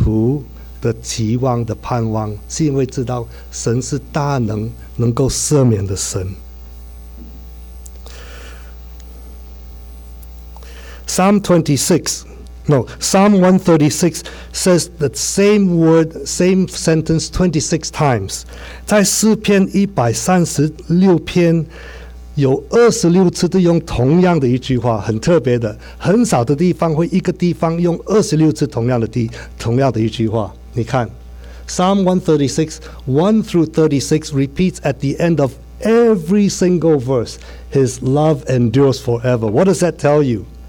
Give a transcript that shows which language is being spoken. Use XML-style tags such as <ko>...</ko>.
<zh>一个基督徒的期望的盼望, 是因为知道神是大能, 能够赦免的神。</zh> <en>Psalm 136 says the same word, same sentence 26 times.</en> <zh>在诗篇136篇, 有26次都用同样的一句话,很特别的,很少的地方会一个地方用26次同样的一句话,你看,</zh> <en>Psalm 136, 1 through 36 repeats at the end of every single verse, His love endures forever. What does that tell you?</en>